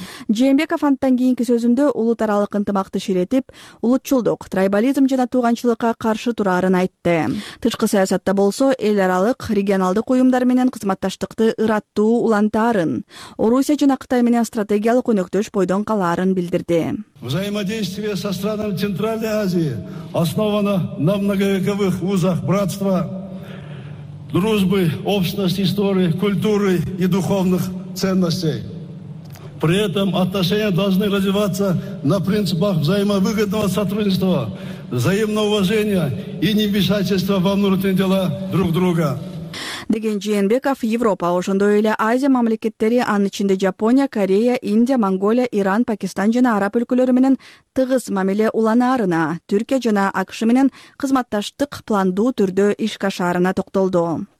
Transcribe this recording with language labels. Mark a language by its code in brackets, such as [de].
[ky] Жээнбеков анттан кийинки сөзүндө улут аралык ынтымакты ширетип, улутчулдук, трайбализм жана тууганчылыкка каршы тураарын айтты. Тышкы саясатта болсо, эл аралык, регионалдык уюмдар менен кызматташтыкты ырааттуу улантаарын, Орусия жана Кытай менен стратегиялык өнөктөш бойдон калаарын билдирди. [ru] Взаимодействие со странами Центральной Азии основано на многовековых узах братства, дружбы, общности, истории, культуры и духовных ценностей. При этом отношения должны развиваться на принципах взаимовыгодного сотрудничества, взаимного уважения и невмешательства во внутренние дела друг друга. [ky] Деген Жээнбеков Европа, ошондой эле Азия мамлекеттери, анын ичинде Жапония, Корея, Индия, Монголия, Иран, Пакистан жана Араб өлкөлөрү менен тыгыз мамиле уланаарына, Түркия жана АКШ менен кызматташтык пландуу түрдө иш кашаарына токтолду.